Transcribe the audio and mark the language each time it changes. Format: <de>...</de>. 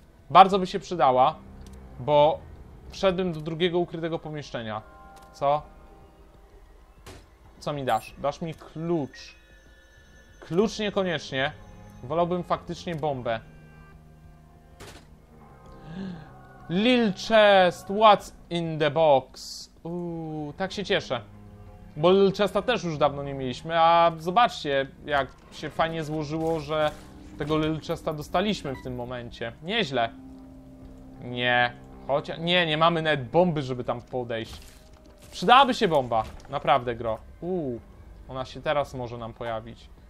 <pl>Bardzo by się przydała, bo wszedłem do drugiego ukrytego pomieszczenia. Co? Co mi dasz? Dasz mi klucz. Klucz niekoniecznie. Wolałbym faktycznie bombę.</pl> <en>Lil Chest, what's in the box?</en> <pl>Tak się cieszę. Bo Lil Chesta też już dawno nie mieliśmy, a zobaczcie, jak się fajnie złożyło, że tego Lil Chesta dostaliśmy w tym momencie. Nieźle. Nie, chociaż... Nie mamy nawet bomby, żeby tam podejść. Przydałaby się bomba, naprawdę, gro. Ona się teraz może nam pojawić.</pl>